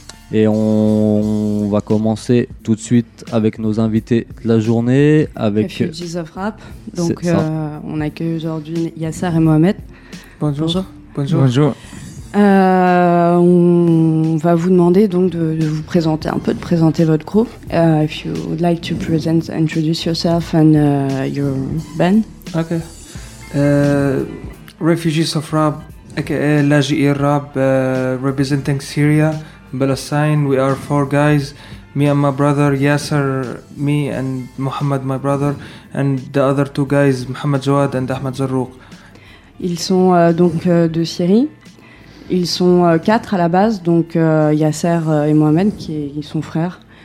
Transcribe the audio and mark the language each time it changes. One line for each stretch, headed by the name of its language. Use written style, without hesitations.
French: Et on va commencer tout de suite avec nos invités de la journée. Avec Refugees of Rap, donc on accueille aujourd'hui Yasser et Mohamed. Bonjour. Bonjour. On va vous demander donc de vous présenter un peu, de présenter votre groupe.
English: If you would like to present, introduce yourself and your band. Ok. Refugees of Rab, aka Lajii Rab, representing Syria, Palestine. We are four guys. Me and my brother Yasser, me and Mohamed, my brother, and the other two guys, Mohamed Jawad and Ahmed Zarouk.
French: Ils sont donc de Syrie. Ils sont quatre à la base, donc Yasser et Mohamed, qui sont frères.